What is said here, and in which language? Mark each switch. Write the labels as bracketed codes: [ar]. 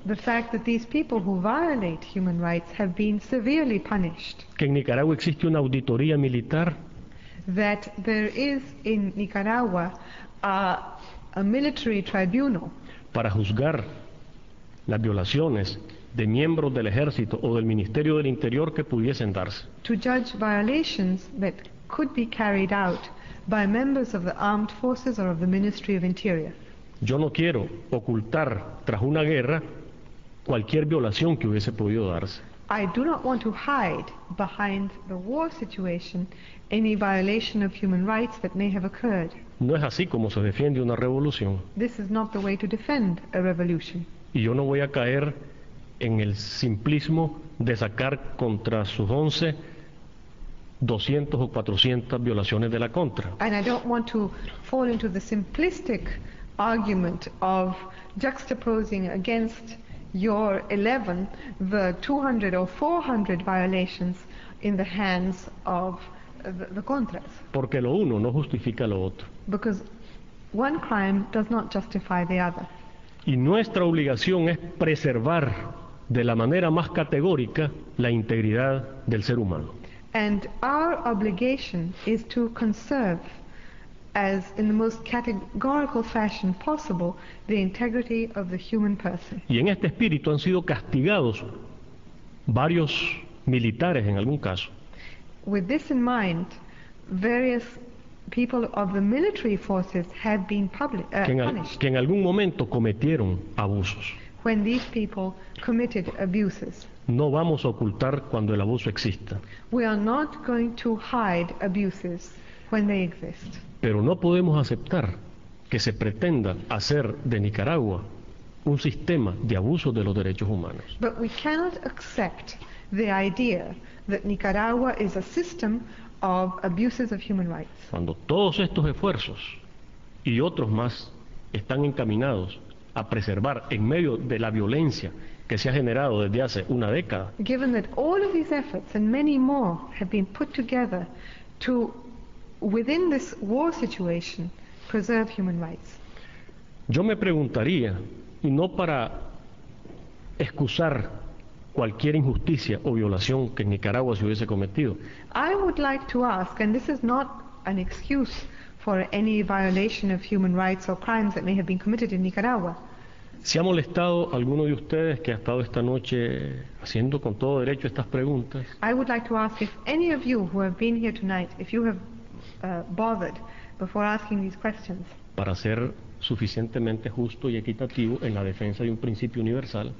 [en] The fact that these people who violate human rights have been severely punished. [es] Que en Nicaragua existe una auditoría militar. [en] That there is in Nicaragua a military tribunal. [es] Para juzgar las violaciones de miembros del ejército o del Ministerio del Interior que pudiesen darse. [en] To judge violations that could be carried out by members of the armed forces or of the Ministry of Interior. [es] Yo no quiero ocultar tras una guerra cualquier violación que hubiese podido darse. [en] I do not want to hide behind the war situation any violation of human rights that may have occurred. [es] No es así como se defiende una revolución. [en] This is not the way to defend a revolution. [es] Y yo no voy a caer en el simplismo de sacar contra sus 11 200 o 400 violaciones de la contra. [en] And I don't want to fall into the simplistic argument of juxtaposing against your 11 the 200 or 400 violations in the hands of the contras. [es] Porque lo uno no justifica lo otro. [en] Because one crime does not justify the other. [es] Y nuestra obligación es preservar de la manera más categórica la integridad del ser humano. [en] And our obligation is to conserve as in the most categorical fashion possible the integrity of the human person. [es] Y en este espíritu han sido castigados varios militares en algún caso. [en] With this in mind, various people of the military forces have been punished. [es] Que en algún momento cometieron abusos. [en] When these people committed abuses. [es] No vamos a ocultar cuando el abuso exista. [en] We are not going to hide abuses when they exist. [es] Pero no podemos aceptar que se pretenda hacer de Nicaragua un sistema de abuso de los derechos humanos. [en] But we cannot accept the idea that Nicaragua is a system of abuses of human rights. [es] Cuando todos estos esfuerzos y otros más están encaminados a preservar en medio de la violencia que se ha generado desde hace una década. [en] Given that all of these efforts and many more have been put together to, within this war situation, preserve human rights. [es] Yo me preguntaría, y no para excusar cualquier injusticia o violación que en Nicaragua se hubiese cometido. [en] I would like to ask, and this is not an excuse for any violation of human rights or crimes that may have been committed in Nicaragua. [es] ¿Se ha molestado alguno de ustedes que ha estado esta noche haciendo con todo derecho estas preguntas? [en] I would like to ask if any of you who have been here tonight, if you have bothered before asking these questions. [es] para ser suficientemente justo y equitativo en la defensa de un principio universal.